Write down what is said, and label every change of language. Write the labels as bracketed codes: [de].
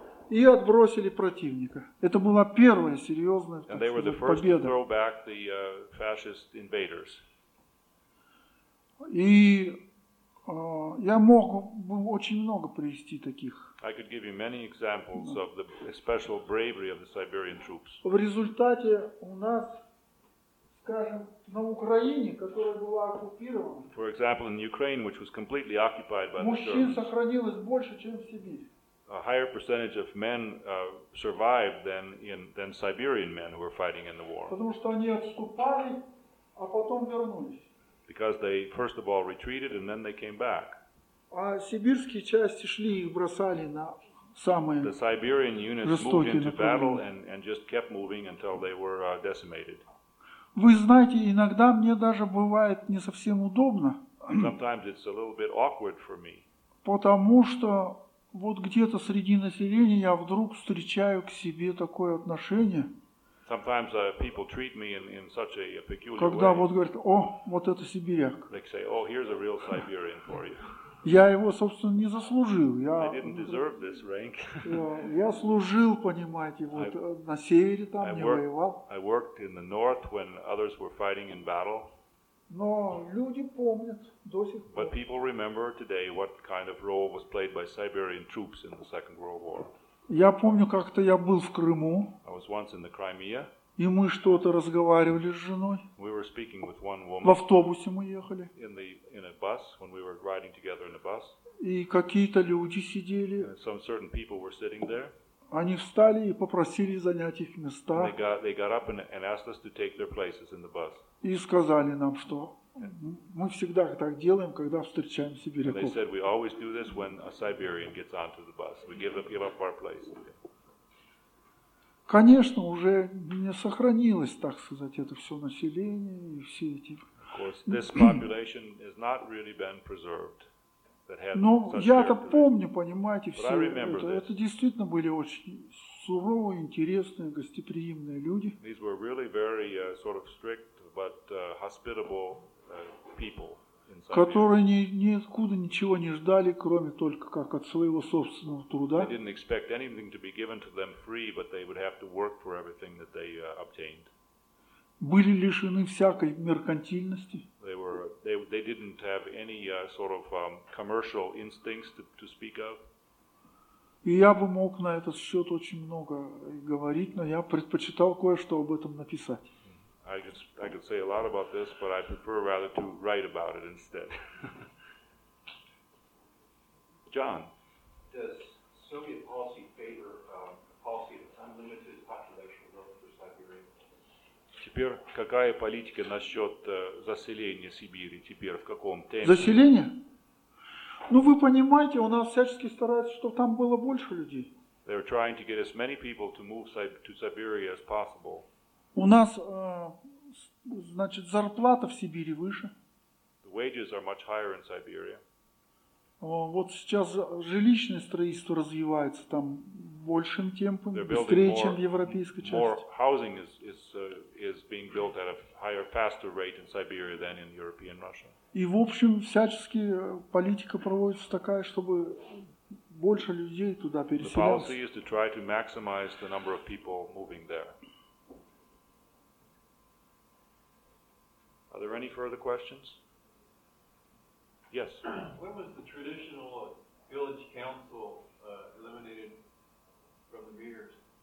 [ru] И отбросили противника. Это была первая серьезная победа. [en] And they were the first to throw back the fascist invaders. [ru] И я мог бы очень много привести таких. [en] I could give you many examples of the special bravery of the Siberian troops. [ru] В результате у нас, скажем, на Украине, которая была оккупирована, [en] for example, in Ukraine, which was completely occupied by the Germans, [ru] мужчин сохранилось больше, чем в Сибири. [en] A higher percentage of men survived than Siberian men who were fighting in the war. [ru] Потому что они отступали, а потом вернулись. [en] Because they first of all retreated and then they came back. [ru] А сибирские части шли и бросали на самые [en] the Siberian units moved into battle and just kept moving until they were decimated. [ru] Вы знаете, иногда мне даже бывает не совсем удобно. [en] Sometimes it's a little bit awkward for me. [ru] Потому что вот где-то среди населения я вдруг встречаю к себе такое отношение. [en] Sometimes people treat me in such a peculiar [ru] когда [en] way. [ru] Вот говорят, о, вот это сибиряк. [en] They say, oh, here's a real Siberian for you. [ru] Я его, собственно, не заслужил. Я, [en] I didn't deserve this rank. [ru] Я служил, понимаете, вот на севере там, не воевал. [en] I worked in the north when others were fighting in battle. [ru] Но люди помнят до сих пор. [en] But people remember today what kind of role was played by Siberian troops in the Second World War. [ru] Я помню, как-то я был в Крыму. [en] I was once in the Crimea. [ru] И мы что-то разговаривали с женой. [en] We were speaking with one woman. [ru] В автобусе мы ехали. [en] In a bus, when we were riding together in a bus. [ru] И какие-то люди сидели. [en] And some certain people were sitting there. [ru] Они встали и попросили занять их места. [en] They got up and asked us to take their places in the bus. [ru] И сказали нам, что мы всегда так делаем, когда встречаем сибиряков. [en] And they said we always do this when a Siberian gets onto the bus. We give up our place. [ru] Конечно, уже не сохранилось, так сказать, это все население и все эти. [en] Of course, this population has not really been preserved. [ru] Но я-то помню, понимаете, все это. Это действительно были очень суровые, интересные, гостеприимные люди. [en] These were really very sort of strict, but hospitable people. [ru] Которые ниоткуда ничего не ждали, кроме только как от своего собственного труда. [en] They didn't expect anything to be given to them free, but they would have to work for everything that they obtained. [ru] Были лишены всякой меркантильности. [en] They didn't have any sort of commercial instincts to speak of. [ru] И я бы мог на этот счет очень много говорить, но я предпочитал кое-что об этом написать. [en] I could say a lot about this, but I prefer rather to write about it instead. John. Does Soviet policy favor the policy of unlimited population growth for Siberia? [ru] Теперь какая политика насчет заселения Сибири теперь в каком темпе? Заселение? Ну вы понимаете, у нас всячески стараются, чтобы там было больше людей. [en] They are trying to get as many people to move to Siberia as possible. [ru] У нас, значит, зарплата в Сибири выше. [en] The wages are much higher in Siberia. [ru] Вот сейчас жилищное строительство развивается там большим темпом, быстрее, чем в европейской части. [en] More housing is being built at a higher, faster rate in Siberia than in European Russia. [ru] И в общем всячески политика проводится такая, чтобы больше людей туда переселялось. [en] The policy is to try to maximize the number of people moving there. Are there any further questions? Yes. When was the traditional village council eliminated from the meters?